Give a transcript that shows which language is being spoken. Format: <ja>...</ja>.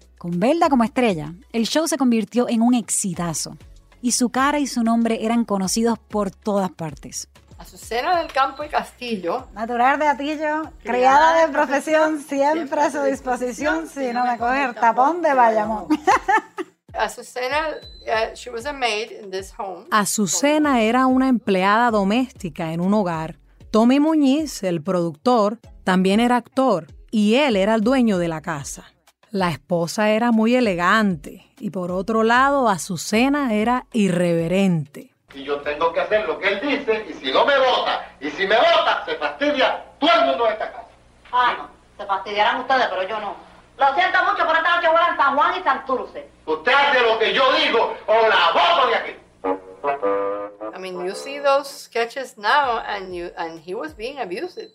<es>Con Velda como estrella, el show se convirtió en un exitazo. Y su cara y su nombre eran conocidos por todas partes. Azucena del Campo y Castillo. Natural de Atillo, criada de profesión, siempre a su disposición, si no me coger tapón de Bayamón.</es> <en>Azucena, she was a maid in this home.</en> <es>Azucena era una empleada doméstica en un hogar. Tommy Muñiz, el productor, también era actor y él era el dueño de la casa. La esposa era muy elegante y, por otro lado, Azucena era irreverente. Y yo tengo que hacer lo que él dice y si no me vota, y si me vota, se fastidia todo el mundo de esta casa. Ah, no, se fastidiarán ustedes, pero yo no. Lo siento mucho, pero esta noche voy a San Juan y Santurce. Usted hace lo que yo digo o la voto de aquí.</es> <en>I mean, you see those sketches now and he was being abusive.</en>